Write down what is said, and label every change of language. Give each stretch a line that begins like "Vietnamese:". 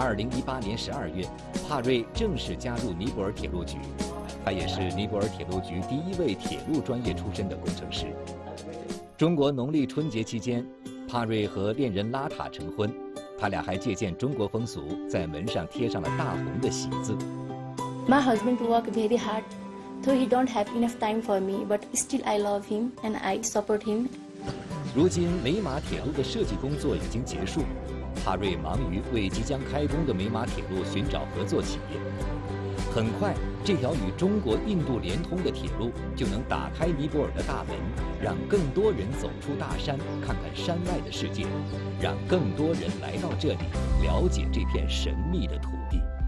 Chinese: 2018年12月，帕瑞正式加入尼泊尔铁路局，他也是尼泊尔铁路局第一位铁路专业出身的工程师。中国农历春节期间，帕瑞和恋人拉塔成婚，他俩还借鉴中国风俗，在门上贴上了大红的喜字。
English: My husband work very hard, though he don't have enough time for me, but still I love him and I support him.
Chinese: 如今美马铁路的设计工作已经结束，帕瑞忙于为即将开工的美马铁路寻找合作企业。很快，这条与中国、印度连通的铁路就能打开尼泊尔的大门，让更多人走出大山，看看山外的世界，让更多人来到这里，了解这片神秘的土地。